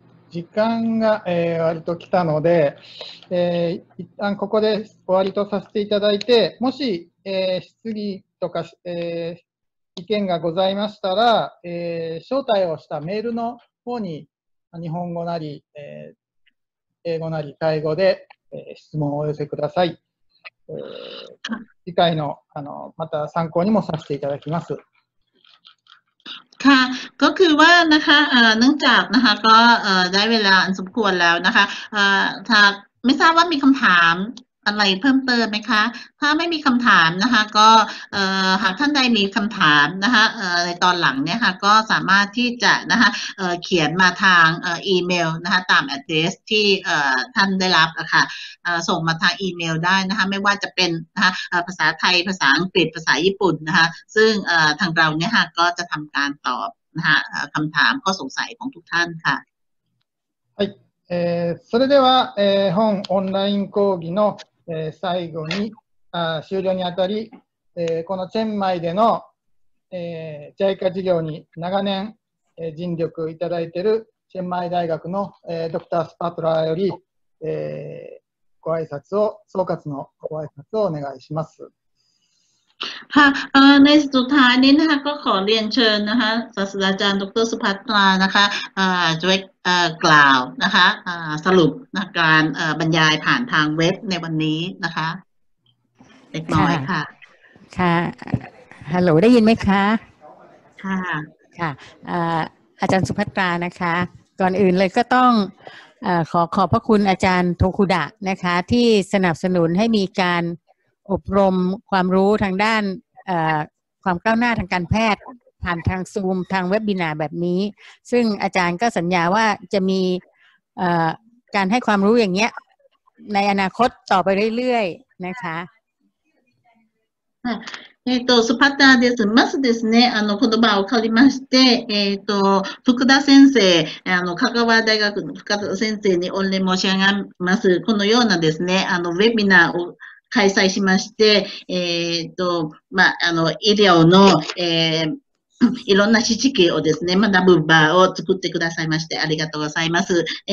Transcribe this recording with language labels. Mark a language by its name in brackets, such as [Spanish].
[Japanese] 時間が、割と来たので、一旦ここで終わりとさせていただいて、もし、質疑とか、意見がございましたら、招待をしたメールの方に日本語なり、英語なりタイ語で、質問をお寄せください。次回の、また参考にもさせていただきます。 [Thai] ค่ะก็คือว่านะคะเนื่องจากนะคะก็ได้เวลาสมควรแล้วนะคะถ้าไม่ทราบว่ามีคำถาม อะไรเพิ่มเติมไหมคะถ้าไม่มีคำถามนะคะก็หากท่านใดมีคำถามนะคะในตอนหลังเนี่ยค่ะก็สามารถที่จะนะคะเขียนมาทางอีเมลนะคะตามแอดเดรสที่ท่านได้รับอะค่ะส่งมาทางอีเมลได้นะคะไม่ว่าจะเป็นนะคะภาษาไทยภาษาอังกฤษภาษาญี่ปุ่นนะคะซึ่งทางเราเนี่ยค่ะก็จะทำการตอบนะคะคำถามข้อสงสัยของทุกท่านค่ะ [Japanese] それでは、本オンライン講義の、最後に終了にあたり、このチェンマイでの、JICA 事業に長年、尽力いただいているチェンマイ大学の、ドクター・スパトラーより、ご挨拶を総括のご挨拶をお願いします。 [Thai] ค่ะในสุดท้ายนี้นะคะก็ขอเรียนเชิญนะคะศาสตราจารย์ดร.สุภัทรานะคะจะกล่าวนะคะสรุปการบรรยายผ่านทางเว็บในวันนี้นะคะเล็กน้อยค่ะ ค่ะฮัลโหลได้ยินไหมคะ ค่ะ ค่ะอาจารย์สุภัทรานะคะก่อนอื่นเลยก็ต้องขอขอบพระคุณอาจารย์โทคุดะนะคะที่สนับสนุนให้มีการอบรมความรู้ทางด้านความก้าวหน้าทางการแพทย์ผ่านทางซูมทางเว็บบินาร์แบบนี้ซึ่งอาจารย์ก็สัญญาว่าจะมีการให้ความรู้อย่างเงี้ยในอนาคตต่อไปเรื่อยๆนะคะ [Japanese] スパッターです。まずですね、言葉を借りまして、福田先生、香川大学の福田先生に御礼申し上げます。このようなですね、ウェビナーを開催しまして、まあ、医療の、いろんな知識をですね、学ぶ場を作ってくださいまして、ありがとうございます。